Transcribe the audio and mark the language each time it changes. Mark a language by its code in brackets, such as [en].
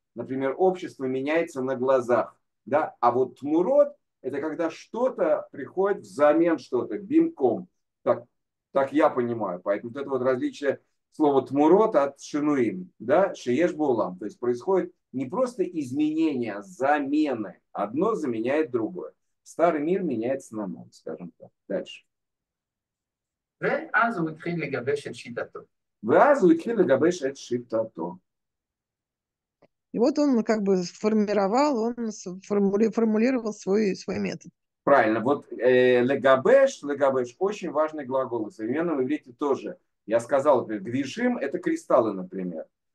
[ru] Например, общество меняется на глазах. Да? А вот тмурот – это когда что-то приходит взамен что-то, бимком. Так я понимаю. Поэтому вот это вот различие слова тмурот от шинуим. Да? Шиеш булам. То есть происходит не просто изменение, а замены. Одно заменяет другое. Старый мир меняется на новый, скажем так. Дальше. [he] ואז הוא התחיל לגבש את שיטתו. ואז הוא התחיל לגבש את שיטתו. [ru] И вот он как бы формулировал свой метод. Правильно, вот легабеш, очень важный глагол. В современном иврите тоже. Я сказал, например, гвишим – это кристаллы, например.